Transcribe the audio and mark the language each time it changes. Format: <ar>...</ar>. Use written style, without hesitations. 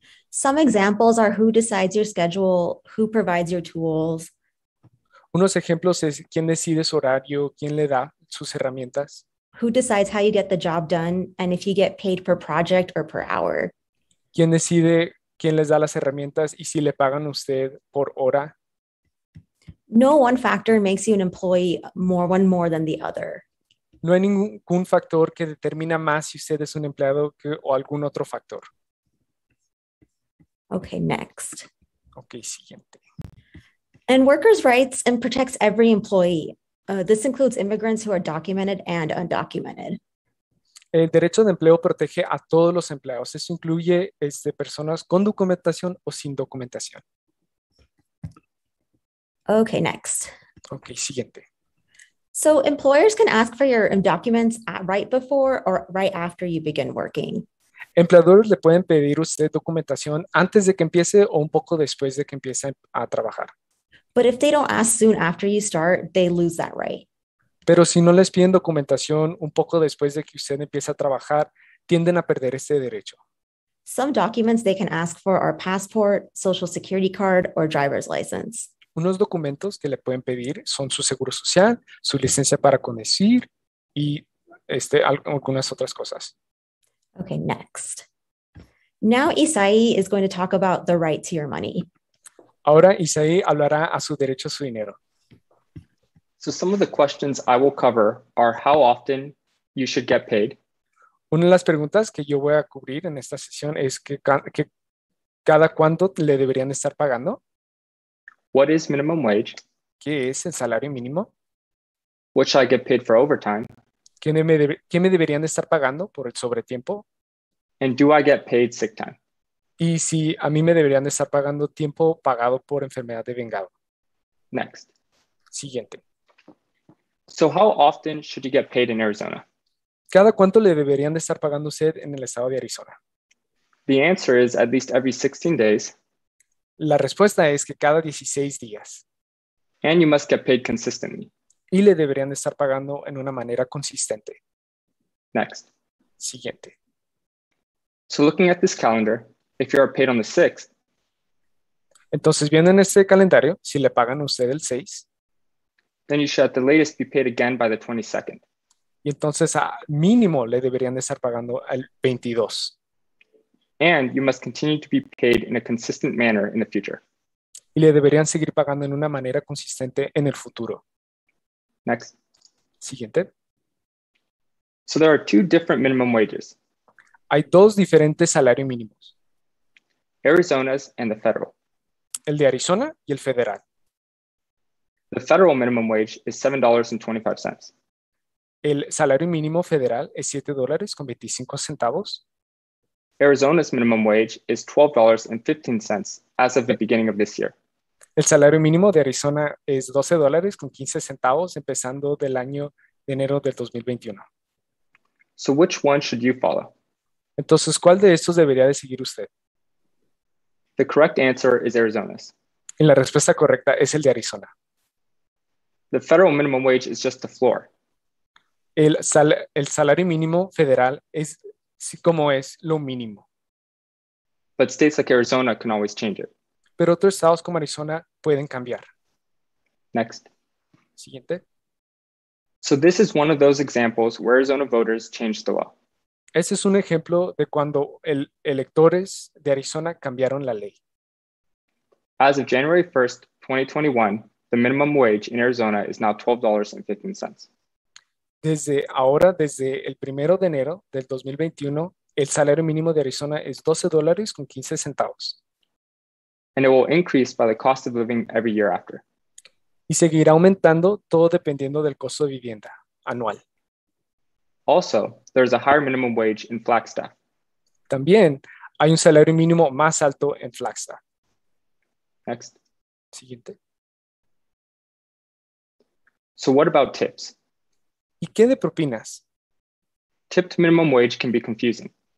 <en>Some examples are who decides your schedule, who provides your tools.</en> <es>Unos ejemplos es quién decide su horario, quién le da sus herramientas.</es> <en>Who decides how you get the job done and if you get paid per project or per hour.</en> <es>¿Quién decide quién les da las herramientas y si le pagan a usted por hora?</es> <en>No one factor makes you an employee more one more than the other.</en> <es>No hay ningún factor que determina más si usted es un empleado que, o algún otro factor.</es> <en>Okay, next.</en> <es>Okay, siguiente.</es> <en>And workers' rights and protects every employee. This includes immigrants who are documented and undocumented.</en> <es>El derecho de empleo protege a todos los empleados. Eso incluye personas con documentación o sin documentación.</es> <en>Okay, next.</en> <es>Okay, siguiente.</es> <en>So employers can ask for your documents right before or right after you begin working.</en> <es>Empleadores le pueden pedir usted documentación antes de que empiece o un poco después de que empiece a trabajar.</es> <en>But if they don't ask soon after you start, they lose that right.</en> <es>Pero si no les piden documentación un poco después de que usted empiece a trabajar, tienden a perder este derecho.</es> <en>Some documents they can ask for are passport, social security card, or driver's license.</en> <es>Unos documentos que le pueden pedir son su seguro social, su licencia para conducir y algunas otras cosas.</es> <en>Okay, next. Now Isai is going to talk about the right to your money.</en> <es>Ahora Isai hablará a su derecho a su dinero.</es> <en>So some of the questions I will cover are how often you should get paid.</en> <es>Una de las preguntas que yo voy a cubrir en esta sesión es que cada cuánto le deberían estar pagando.</es> <en>What is minimum wage?</en> <es>¿Qué es el salario mínimo?</es> <en>What should I get paid for overtime?</en> <es>¿Qué me deberían estar pagando por el sobretiempo?</es> <en>And do I get paid sick time?</en> <es>¿Y si a mí me deberían estar pagando tiempo pagado por enfermedad de vengado?</es> <en>Next.</en> <es>Siguiente.</es> <en>So how often should you get paid in Arizona?</en> <es>¿Cada cuánto le deberían de estar pagando usted en el estado de Arizona?</es> <en>The answer is at least every 16 days.</en> <es>La respuesta es que cada 16 días.</es> <en>And you must get paid consistently.</en> <es>Y le deberían de estar pagando en una manera consistente.</es> <en>Next.</en> <es>Siguiente.</es> <en>So looking at this calendar, if you are paid on the 6th.</en> <es>Entonces viendo en este calendario, si le pagan a usted el 6.</es> <en>Then you should at the latest be paid again by the 22nd.</en> <es>Y entonces a mínimo le deberían de estar pagando el 22.</es> <en>And you must continue to be paid in a consistent manner in the future.</en> <es>Y le deberían seguir pagando en una manera consistente en el futuro.</es> <en>Next.</en> <es>Siguiente.</es> <en>So there are two different minimum wages.</en> <es>Hay dos diferentes salarios mínimos.</es> <en>Arizona's and the federal.</en> <es>El de Arizona y el federal.</es> <en>The federal minimum wage is $7.25.</en> <es>El salario mínimo federal es $7.25.</es> <en>Arizona's minimum wage is $12.15 as of the beginning of this year.</en> <es>El salario mínimo de Arizona es $12.15 empezando del año de enero del 2021.</es> <en>So which one should you follow?</en> <es>Entonces, ¿cuál de estos debería de seguir usted?</es> <en>The correct answer is Arizona's.</en> <es>Y la respuesta correcta es el de Arizona.</es> <en>The federal minimum wage is just the floor.</en> <es>El salario mínimo federal es sí, como es lo mínimo.</es> <en>But states like Arizona can always change it.</en> <es>Pero otros estados como Arizona pueden cambiar.</es> <en>Next.</en> <es>Siguiente.</es> <en>So this is one of those examples where Arizona voters changed the law.</en> <es>Ese es un ejemplo de cuando electores de Arizona cambiaron la ley.</es> <en>As of January 1st, 2021, the minimum wage in Arizona is now $12.15.</en> <es>Desde ahora, desde el primero de enero del 2021, el salario mínimo de Arizona es $12.15.</es> <en>and it will increase by the cost of living every year after.</en> <es>Y seguirá aumentando todo dependiendo del costo de vivienda anual.</es> <en>Also, there is a higher minimum wage in Flagstaff.</en> <es>También hay un salario mínimo más alto en Flagstaff.</es> <en>Next.</en> <es>Siguiente.</es> <en>So what about tips?</en> <es>¿Y qué de propinas?</es> <en>Tipped minimum wage can be confusing.</en>